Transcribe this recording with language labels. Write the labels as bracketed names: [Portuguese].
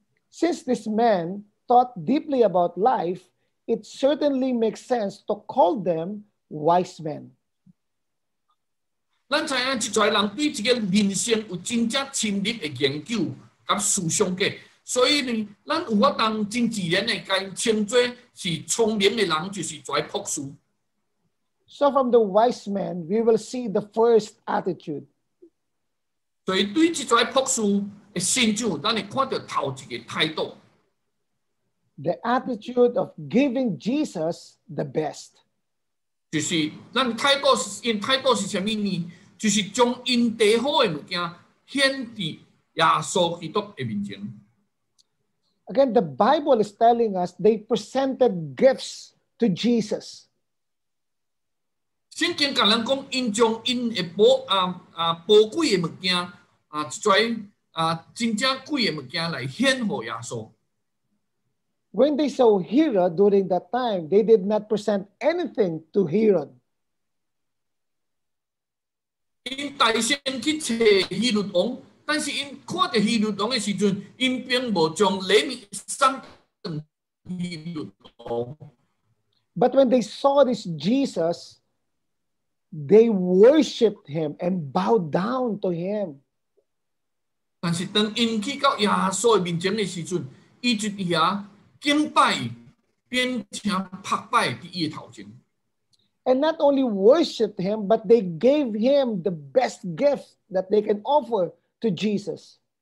[English] Since this man thought deeply about life, it certainly makes sense to call them wise men. [Min Nan Chinese] 咱知影一跩人对这个人生有真正深入的研究甲思想过，所以呢，咱有法当真自然的甲称作是聪明的人，就是跩博士。 [English] So from the wise man, we will see the first attitude. [Min Nan Chinese] 所以对这跩博士的心就，咱会看到头一个态度。 [English] The attitude of giving Jesus the best. [Min Nan Chinese] 就是咱态度是，因态度是啥物呢？就是将因得好的物件献伫耶稣基督的面前。 [English] Again, the Bible is telling us they presented gifts to Jesus. [Min Nan Chinese] 圣经甲咱讲，因将因的宝贵的物件一跩真正贵的物件来献乎耶稣。 [English] When they saw Herod during that time, they did not present anything to Herod. [Min Nan Chinese] 因大声去找希律王，但是因看到希律王的时阵，因并无将礼物送给希律王。 [English] But when they saw this Jesus, they worshipped him and bowed down to him. [Min Nan Chinese] 但是当因去到耶稣的面前的时阵，伊就伫遐敬拜，并且拍拜伫伊的头前。 [English] And not only worshipped him, but they gave him the best gift that they can offer to Jesus.